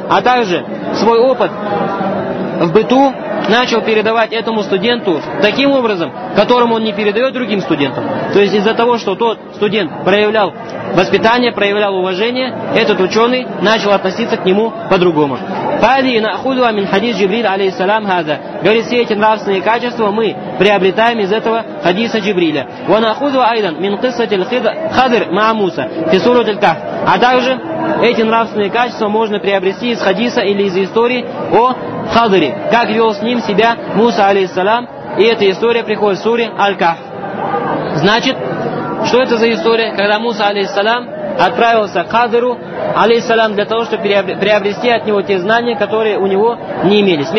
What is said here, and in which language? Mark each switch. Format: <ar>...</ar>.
<ru>А также свой опыт в быту начал передавать этому студенту таким образом, которым он не передает другим студентам. То есть из-за того, что тот студент проявлял воспитание, проявлял уважение, этот ученый начал относиться к нему по-другому.</ru> <ar>فهذه ناخذها من حديث جبريل عليه السلام هذا.</ar> <ru>Говорит, все эти нравственные качества мы приобретаем из этого хадиса Джибриля.</ru> <ar>وناخذها ايضا من قصة الخضر مع موسى في سورة الكهف.</ar> <ru>А также эти нравственные качества можно приобрести из хадиса или из истории о Хадре, как вел с ним себя Муса алейхиссалам, и эта история приходит в суре Аль-Кахф. Значит, что это за история, когда Муса алейхиссалам отправился к Хадру алейхиссалам для того, чтобы приобрести от него те знания, которые у него не имелись.</ru>